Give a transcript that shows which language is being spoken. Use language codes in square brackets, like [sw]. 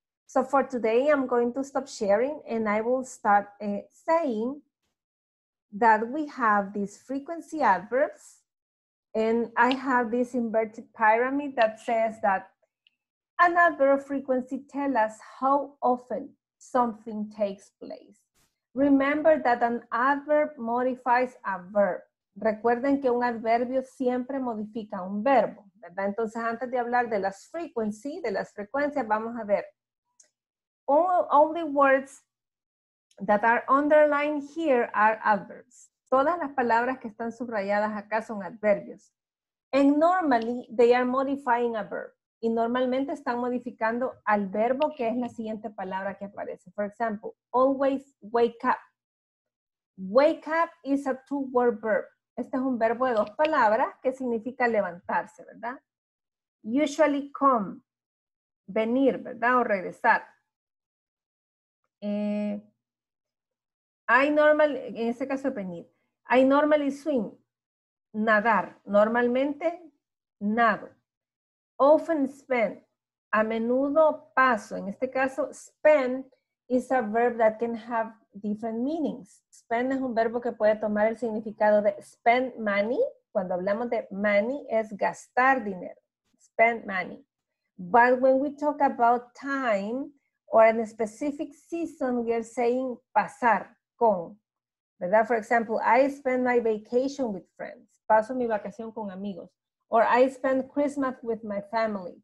[en] So for today, I'm going to stop sharing and I will start saying that we have these frequency adverbs. And I have this inverted pyramid that says that an adverb of frequency tells us how often something takes place. Remember that an adverb modifies a verb. [es] Recuerden que un adverbio siempre modifica un verbo, ¿verdad? Entonces, antes de hablar de las frequency, de las frecuencias, vamos a ver. [en] All the words that are underlined here are adverbs. [es] Todas las palabras que están subrayadas acá son adverbios. [en] And normally, they are modifying a verb. [es] Y normalmente están modificando al verbo que es la siguiente palabra que aparece. [en] For example, always wake up. Wake up is a two-word verb. [es] Este es un verbo de dos palabras que significa levantarse, ¿verdad? [en] Usually come. [es] Venir, ¿verdad? O regresar. En este caso venir. [en] I normally swim, [es] nadar, normalmente nado. [en] Often spend, [es] a menudo paso. En este caso, [en] spend is a verb that can have different meanings. [es] Spend es un verbo que puede tomar el significado de spend money. Cuando hablamos de money, es gastar dinero. Spend money. [en] But when we talk about time or in a specific season, we are saying [es] pasar con. ¿Verdad? [en] For example, I spend my vacation with friends. [es] Paso mi vacación con amigos. [en] Or I spend Christmas with my family.